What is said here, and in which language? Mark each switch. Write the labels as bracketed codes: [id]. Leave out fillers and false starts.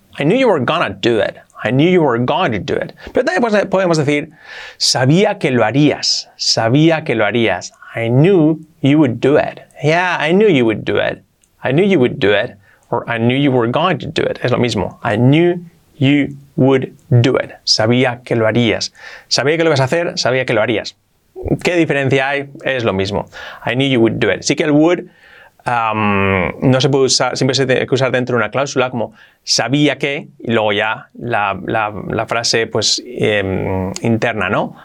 [en] I knew you were going to do it. I knew you were going to do it. [es] Pero también podemos decir, sabía que lo harías. Sabía que lo harías. [en] I knew you would do it. Yeah, I knew you would do it. I knew you would do it. Or I knew you were going to do it. [es] Es lo mismo. [en] I knew you would do it. [es] Sabía que lo harías. Sabía que lo ibas a hacer, sabía que lo harías. ¿Qué diferencia hay? Es lo mismo. [en] I knew you would do it. [es] Sí que el would no se puede usar, siempre se tiene que usar dentro de una cláusula como sabía que, y luego ya la frase pues interna, ¿no?